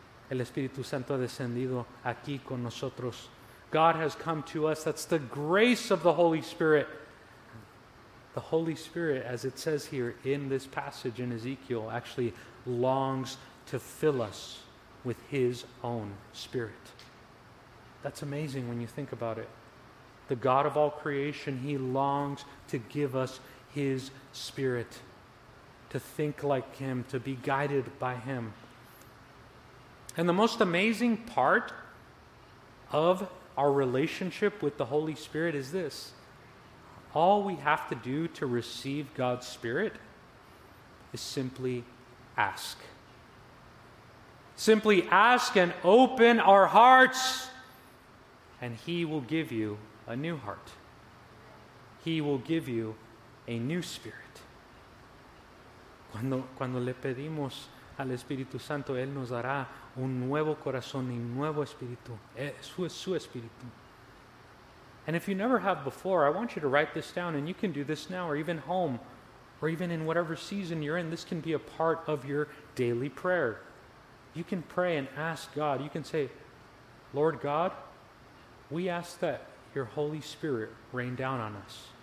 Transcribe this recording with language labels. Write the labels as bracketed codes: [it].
[es] El Espíritu Santo ha descendido aquí con nosotros. [en] God has come to us. That's the grace of the Holy Spirit. The Holy Spirit, as it says here in this passage in Ezekiel, actually longs to fill us with his own spirit. That's amazing when you think about it. The God of all creation, he longs to give us his spirit, to think like him, to be guided by him. And the most amazing part of our relationship with the Holy Spirit is this. All we have to do to receive God's Spirit is simply ask. Simply ask and open our hearts, and he will give you a new heart. He will give you a new spirit. [es] Cuando le pedimos al Espíritu Santo, él nos dará un nuevo corazón y nuevo espíritu, su espíritu. [en] And if you never have before, I want you to write this down, and you can do this now, or even home, or even in whatever season you're in, this can be a part of your daily prayer. You can pray and ask God. You can say, Lord God, we ask that your Holy Spirit rain down on us.